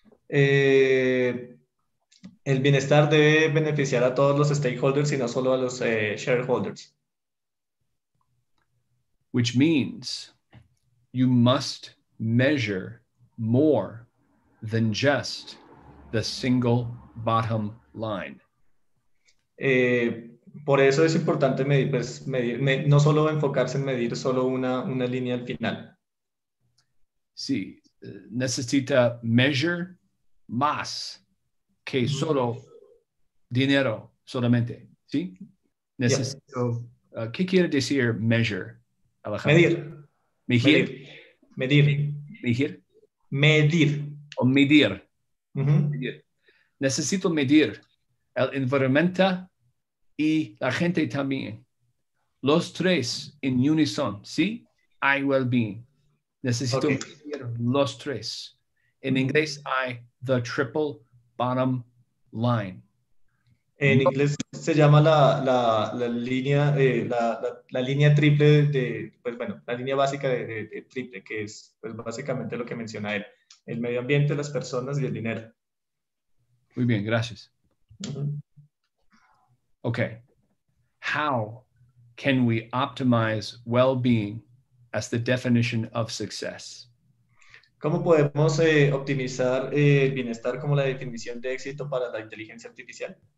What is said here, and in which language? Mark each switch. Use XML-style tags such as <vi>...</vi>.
<es>El bienestar debe beneficiar a todos los stakeholders y no solo a los shareholders.</es> <en>Which means you must measure more than just the single bottom line.</en> <es>Por eso es importante medir, pues, medir, no solo enfocarse en medir solo una línea al final. Sí, necesita measure más que solo dinero solamente, ¿sí? Necesito, yes. ¿Qué quiere decir measure, Alejandro? Medir. ¿Medir? Medir. ¿Medir? Medir. O medir. Medir. Necesito medir el environmental y la gente también. Los tres en unison, ¿sí? I well-being. Necesito okay. Medir los tres. En inglés hay</es> <en>the triple bottom line.</en> <es>En inglés se llama la línea triple de, pues bueno, la línea básica de triple, que es pues básicamente lo que menciona él. El medio ambiente, las personas y el dinero. Muy bien, gracias. Uh-huh. Okay.</es> <en>How can we optimize well-being as the definition of success?</en> <es>¿Cómo podemos optimizar el bienestar como la definición de éxito para la inteligencia artificial?</es>